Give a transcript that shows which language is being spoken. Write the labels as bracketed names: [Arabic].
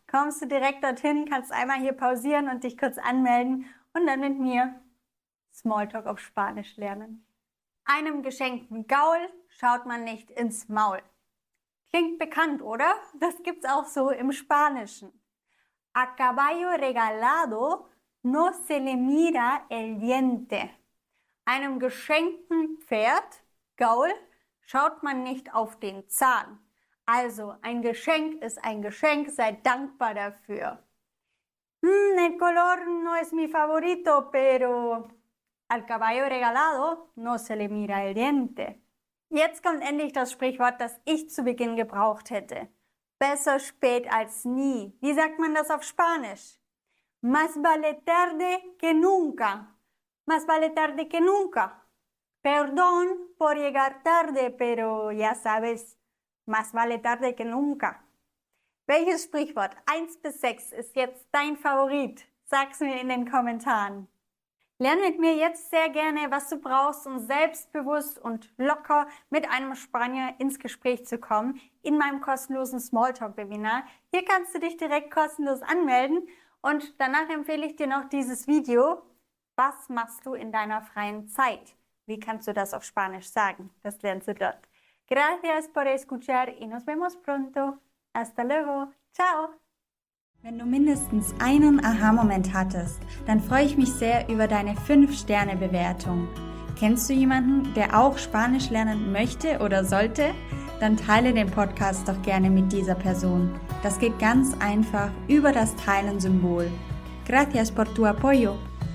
[German] Kommst du direkt dorthin, kannst einmal hier pausieren und dich kurz anmelden. Und dann mit mir Smalltalk auf Spanisch lernen. Einem geschenkten Gaul schaut man nicht ins Maul. Klingt bekannt, oder? Das gibt's auch so im Spanischen. [Spanish] A caballo regalado no se le mira el diente. [German] Einem geschenkten Pferd, Gaul, schaut man nicht auf den Zahn. Also, ein Geschenk ist ein Geschenk, sei dankbar dafür. [Spanish] El color no es mi favorito, pero al caballo regalado no se le mira el diente. [German] Jetzt kommt endlich das Sprichwort, das ich zu Beginn gebraucht hätte. Besser spät als nie. Wie sagt man das auf Spanisch? [Spanish] Más vale tarde que nunca. Más vale tarde que nunca. Perdón por llegar tarde, pero ya sabes, más vale tarde que nunca. [German] Welches Sprichwort 1 bis 6 ist jetzt dein Favorit? Sag's mir in den Kommentaren. Lern mit mir jetzt sehr gerne, was du brauchst, um selbstbewusst und locker mit einem Spanier ins Gespräch zu kommen, in meinem kostenlosen Smalltalk-Webinar. Hier kannst du dich direkt kostenlos anmelden und danach empfehle ich dir noch dieses Video. Was machst du in deiner freien Zeit? Wie kannst du das auf Spanisch sagen? Das lernst du dort. [Spanish] Gracias por escuchar y nos vemos pronto. Hasta luego. Ciao. [German] Wenn du mindestens einen Aha-Moment hattest, dann freue ich mich sehr über deine 5-Sterne-Bewertung. Kennst du jemanden, der auch Spanisch lernen möchte oder sollte? Dann teile den Podcast doch gerne mit dieser Person. Das geht ganz einfach über das Teilen-Symbol. [Spanish] Gracias por tu apoyo.